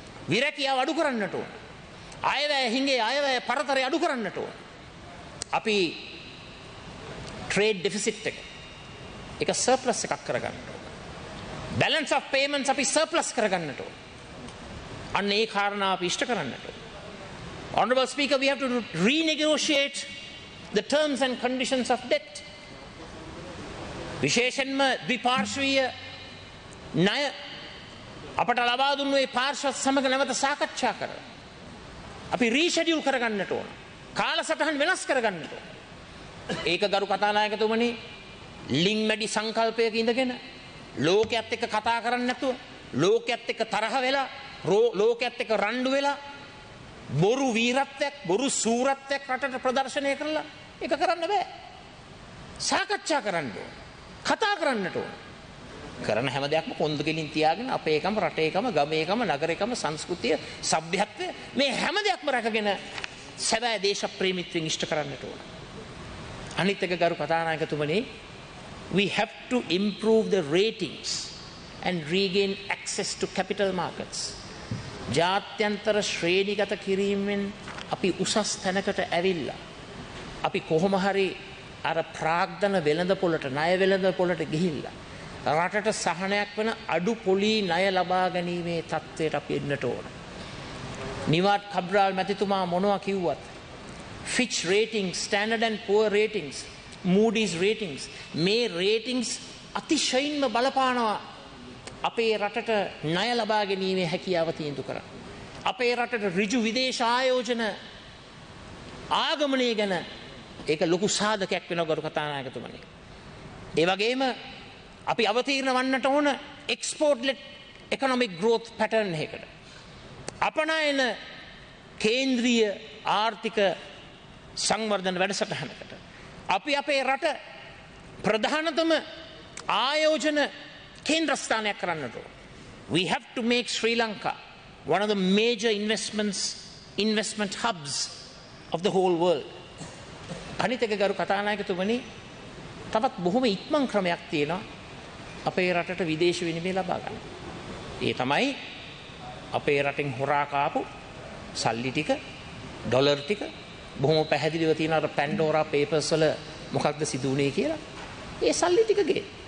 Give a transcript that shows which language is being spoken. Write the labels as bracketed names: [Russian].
[Sinhala] විරැකියාව අඩු කරන්නට ඕන. අයවැය හිඟේ අයවැය පරතරය අඩු කරන්නට ඕන. අපි [English] trade deficit [Sinhala] එක සර්ප්ලස් එකක් කරගන්නට ඕන. [English] balance of payments [Sinhala] අපි සර්ප්ලස් කරගන්නට ඕන. අන්න ඒ කාරණාව අපි ඉෂ්ට කරන්නට ඕන. [English] Honorable Speaker, we have to renegotiate the terms and conditions of debt. [Sinhala] විශේෂයෙන්ම ද්විපාර්ශ්වීය ණය අපට ලබා දුන්නු ඒ පාර්ශ්වත් සමග නැවත සාකච්ඡා කරලා අපි රීෂෙඩියුල් කරගන්නට ඕන. කාලසටහන් වෙනස් කරගන්නට ඕන. ඒක ගරු කතානායකතුමනි, ලිං මැඩි සංකල්පයක ඉඳගෙන ලෝකයේත් එක්ක කතා කරන්නේ නැතුව, ලෝකයේත් එක්ක තරහ වෙලා, ලෝකයේත් එක්ක රණ්ඩු වෙලා, බොරු වීරත්වයක්, බොරු සූරත්වයක් රටට ප්‍රදර්ශනය කරලා ඒක කරන්න බෑ. සාකච්ඡා කරන්න ඕන. කතා කරන්නට ඕන. කරන හැම දෙයක්ම කොන්ද කෙලින් තියාගෙන අපේ එකම රටේ එකම ගමේ එකම නගරේ එකම සංස්කෘතිය සભ્યත්වය මේ හැම දෙයක්ම රැකගෙන සැබෑ දේශප්‍රේමීත්වයෙන් ඉෂ්ට කරන්නට ඕන. අනිත් එක ගරු කතානායකතුමනි, [English] we have to improve the ratings and regain access to capital markets. [Sinhala] ජාත්‍යන්තර ශ්‍රේණිගත කිරීමෙන් අපි උසස් තැනකට ඇවිල්ලා අපි කොහොම හරි අර ප්‍රාග්ධන වෙළඳපොළට ණය වෙළඳපොළට ගිහිල්ලා රටට සහනයක් වෙන අඩු පොලි ණය ලබා ගැනීමේ තත්ත්වයට අපි එන්නට ඕන. නිවාඩ් කබ්‍රාල් මැතිතුමා මොනවා කිව්වත් Fitch ratings, standard and පුවර් ratings, මූඩිස් ratings මේ රේටින්ග්ස් අතිශයින්ම බලපානවා අපේ රටට ණය ලබා ගැනීමේ හැකියාව තීන්දුව කරා. අපේ රටට ඍජු විදේශ ආයෝජන ආගමනය ගැන ඒක ලොකු සාධකයක් වෙනවා ගරු කතානායකතුමනි. ඒ වගේම අපි අවතීර්ණ වන්නට ඕන [English] export led economic growth pattern [Sinhala] එකකට. අපනයන කේන්ද්‍රීය ආර්ථික සංවර්ධන වැඩසටහනකට. අපි අපේ රට ප්‍රධානතම ආයෝජන කේන්ද්‍රස්ථානයක් කරන්නට ඕන. [English] We have to make Sri Lanka one of the major investment hubs of the whole world. [Sinhala] අනිත් එක ගරු කතානායකතුමනි, තවත් බොහොම ඉක්මන් ක්‍රමයක් තියෙනවා අපේ රටට විදේශ විනිමය ලබා ගන්න. ඒ තමයි අපේ රටෙන් හොරා කාපු සල්ලි ටික, ඩොලර් ටික බොහොම පැහැදිලිව තියෙන අර පැන්ඩෝරා පේපර්ස් වල මොකක්ද සිදු වුනේ කියලා. ඒ සල්ලි ටික ගේ.